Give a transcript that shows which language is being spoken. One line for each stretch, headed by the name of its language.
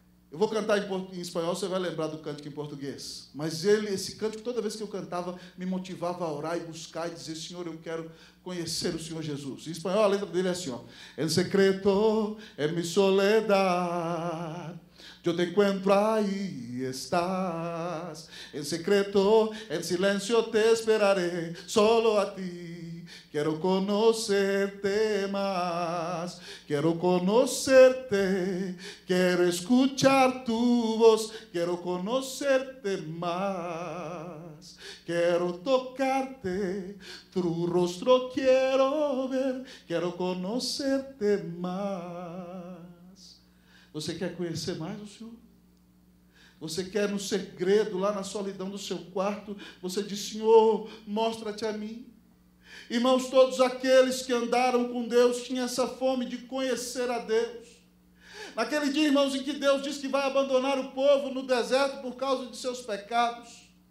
Portuguese: Eu vou cantar em espanhol, você vai lembrar do cântico em português. Mas ele, esse cântico, toda vez que eu cantava, me motivava a orar e buscar e dizer: Senhor, eu quero conhecer o Senhor Jesus. Em espanhol, a letra dele é assim, ó.
Spanish: El secreto es mi soledad. Yo te encuentro ahí, estás. En secreto, en silencio te esperaré, solo a ti. Quiero conocerte más, quiero conocerte, quiero escuchar tu voz, quiero conocerte más, quiero tocarte, tu rostro quiero ver, quiero conocerte más.
Portuguese: Você quer conhecer mais o Senhor? Você quer no segredo, lá na solidão do seu quarto, você diz: Senhor, mostra-te a mim. Irmãos, todos aqueles que andaram com Deus tinham essa fome de conhecer a Deus. Naquele dia, irmãos, em que Deus disse que vai abandonar o povo no deserto por causa de seus pecados.